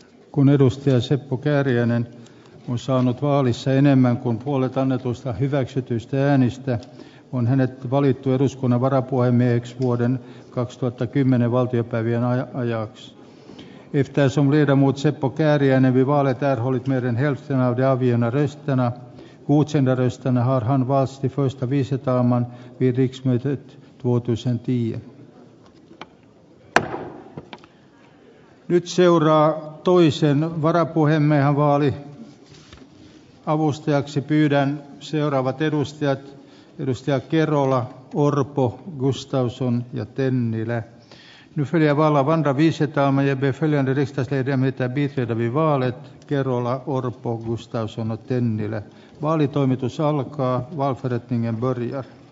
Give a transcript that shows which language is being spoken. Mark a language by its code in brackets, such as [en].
[fi] Kun edustaja Seppo Kääriäinen on saanut vaalissa enemmän kuin puolet annetusta hyväksytyistä äänistä, on hänet valittu eduskunnan varapuhemieheksi vuoden 2010 valtiopäivien ajaksi. [sv] Eftersom ledamot Seppo Kääriäinen vid valet erhållit mer än hälften av de avgivna rösterna, godkända rösterna, har han valts till första vice talman vid riksmötet 2010. [fi] Nyt seuraa toisen varapuhemiehen vaali. Avustajaksi pyydän seuraavat edustajat: edustaja Kerola, Orpo, Gustafsson ja Tennilä. [sv] Nu följer valla vandra vice talman. Jag ber följande riksdagsledamöter biträda vid valet: Kerola, Orpo, Gustafsson och Tennilä. [fi] Vaalitoimitus alkaa. [sv] Valförrättningen börjar.